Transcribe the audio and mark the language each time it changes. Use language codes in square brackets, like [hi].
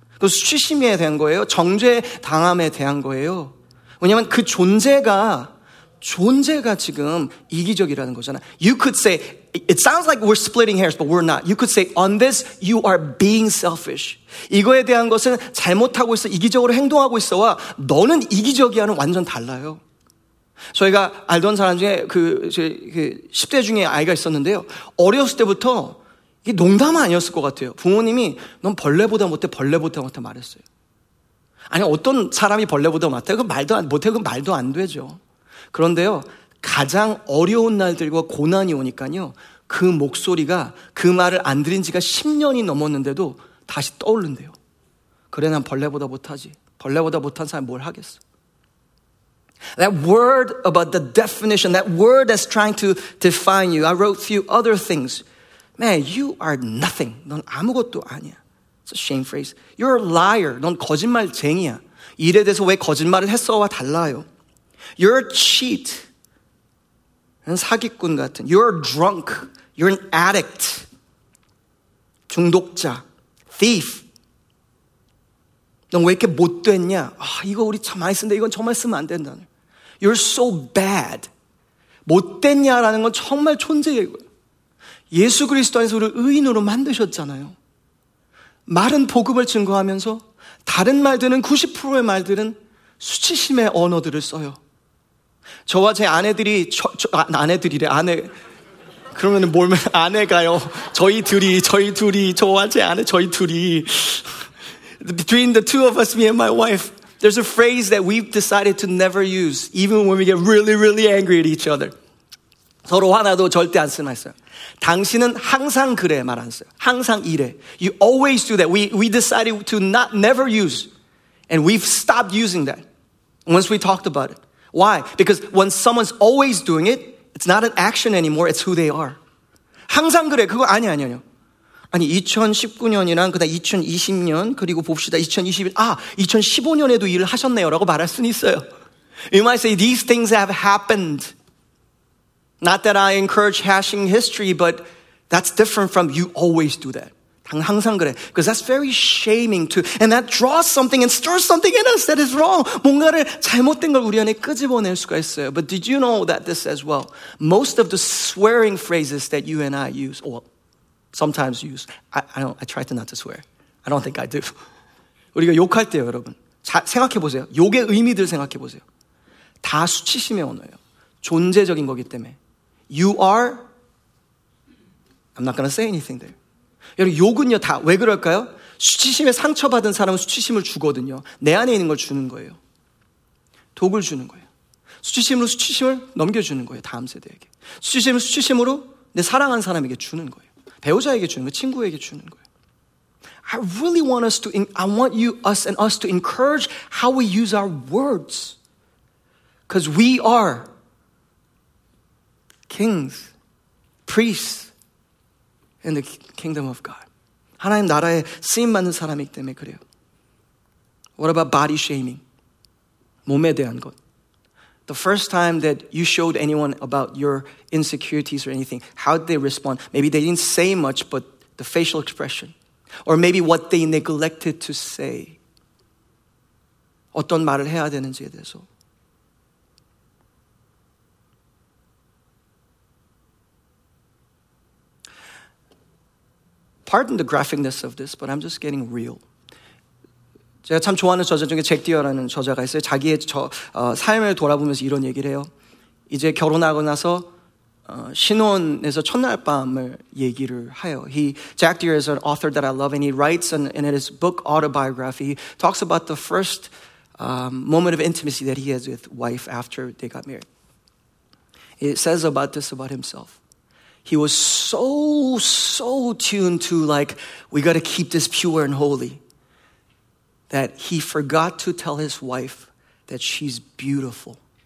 [ko] 그 수치심에 대한 거예요. 정죄당함에 대한 거예요. 왜냐하면 그 존재가 지금 이기적이라는 거잖아. [en] You could say, it sounds like we're splitting hairs, but we're not. You could say, on this, you are being selfish. [ko] 이거에 대한 것은 잘못하고 있어, 이기적으로 행동하고 있어와 너는 이기적이야는 완전 달라요. 저희가 알던 사람 중에 그 10대 중에 아이가 있었는데요. 어렸을 때부터 이게 농담은 아니었을 것 같아요. 부모님이 넌 벌레보다 못해, 벌레보다 못해 말했어요. 아니, 어떤 사람이 벌레보다 못해? 그건 말도 안 되죠. 그런데요, 가장 어려운 날들과 고난이 오니까요, 그 목소리가 그 말을 안 들은 지가 10년이 넘었는데도 다시 떠오른대요. 그래, 난 벌레보다 못하지. 벌레보다 못한 사람이 뭘 하겠어. [en] That word about the definition, that word that's trying to define you, I wrote a few other things. Man, you are nothing. [ko] 넌 아무것도 아니야. [en] It's a shame phrase. You're a liar. [ko] 넌 거짓말쟁이야. 일에 대해서 왜 거짓말을 했어와 달라요. [en] You're a cheat. [ko] 넌 사기꾼 같은. [en] You're drunk. You're an addict. [ko] 중독자. [en] Thief. [ko] 넌 왜 이렇게 못됐냐. 아, 이거 우리 참 많이 쓰는데 이건 정말 쓰면 안 된다. [en] You're so bad. [ko] 못됐냐라는 건 정말 존재예요. 예수 그리스도 안에서 우리를 의인으로 만드셨잖아요. 말은 복음을 증거하면서 다른 말들은 90%의 말들은 수치심의 언어들을 써요. 저와 제 아내들이 저희 둘이 [en] between the two of us, me and my wife, there's a phrase that we've decided to never use even when we get really really angry at each other. [ko] 서로 화나도 절대 안 쓰나 했어요. 당신은 항상 그래 말 안 써요. 항상 이래. [en] You always do that. We decided to not never use. And we've stopped using that. Once we talked about it. Why? Because when someone's always doing it, it's not an action anymore. It's who they are. [ko] 항상 그래. 그거 아니요. 아니 2019년이랑 그다음 2020년 그리고 봅시다. 2021. 아, 2015년에도 일을 하셨네요. 라고 말할 수는 있어요. [en] You might say these things have happened. Not that I encourage hashing history, but that's different from you always do that. [ko] 항상 그래. [en] Because that's very shaming too. And that draws something and stirs something in us that is wrong. [ko] 뭔가를 잘못된 걸 우리 안에 끄집어낼 수가 있어요. [en] But did you know that this as well? Most of the swearing phrases that you and I use, or sometimes use, I try to not to swear. I don't think I do. [ko] 우리가 욕할 때요, 여러분. 생각해보세요. 욕의 의미들 생각해보세요. 다 수치심의 언어예요. 존재적인 거기 때문에. [en] You are, I'm not going to say anything there. [ko] 여러분, 욕은요, 다, 왜 그럴까요? 수치심에 상처받은 사람은 수치심을 주거든요. 내 안에 있는 걸 주는 거예요. 독을 주는 거예요. 수치심으로 수치심을 넘겨주는 거예요. 다음 세대에게. 수치심을 수치심으로 내 사랑하는 사람에게 주는 거예요. 배우자에게 주는 거예요. 친구에게 주는 거예요. [en] I really want us to, I want you, us and us to encourage how we use our words. Because we are kings, priests in the kingdom of God. [ko] 하나님 나라에 쓰임받는 사람이기 때문에 그래요. [en] What about body shaming? [ko] 몸에 대한 것. [en] The first time that you showed anyone about your insecurities or anything, how did they respond? Maybe they didn't say much, but the facial expression. Or maybe what they neglected to say. [ko] 어떤 말을 해야 되는지에 대해서. [en] Pardon the graphicness of this, but I'm just getting real. [ko] 제가 참 좋아하는 저자 중에 잭 디어라는 저자가 있어요. 자기의 삶을 돌아보면서 이런 얘기를 해요. 이제 결혼하고 나서 신혼에서 첫날 밤을 얘기를 해요. [en] Jack Deere is an author that I love, and he writes in his book autobiography. He talks about the first moment of intimacy that he has with wife after they got married. It says about this about himself. He was so tuned to like, we got to keep this pure and holy, that he forgot to tell his wife that she's beautiful.